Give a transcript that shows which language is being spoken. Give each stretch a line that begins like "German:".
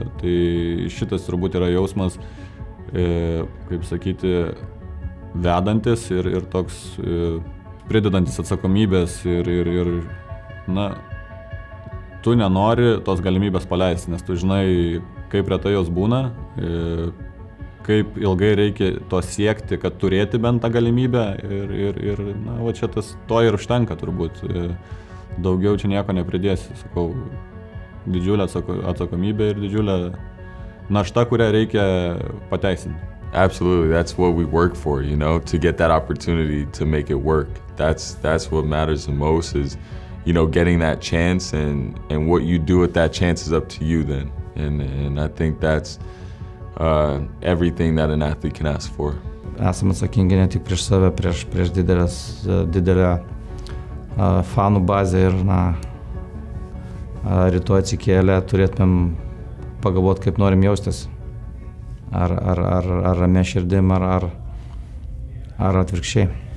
Lithuanian: Tai šitas turbūt yra jausmas, kaip sakyti, vedantis ir toks pridedantis atsakomybės ir na, tu nenori tos galimybės paleisti, nes tu žinai, kaip retai jos būna, kaip ilgai reikia to siekti, kad turėti bent tą galimybę ir na, va čia tas, to ir užtenka turbūt. Daugiau čia nieko nepridėsi, sakau, didžiulė atsakomybė ir didžiulė našta, kurią reikia pateisinti.
English: Absolutely, that's what we work for, you know, to get that opportunity to make it work. That's what matters the most is, you know, getting that chance and what you do with that chance is up to you then. And I think that's everything that an athlete can ask for.
Lithuanian: Esam atsakingi ne tik prieš save, prieš didelę fanų bazę ir na, rytoj atsikėlę turėtumėm pagalvoti, kaip norim jaustis. Ar ramė širdim, ar atvirkščiai.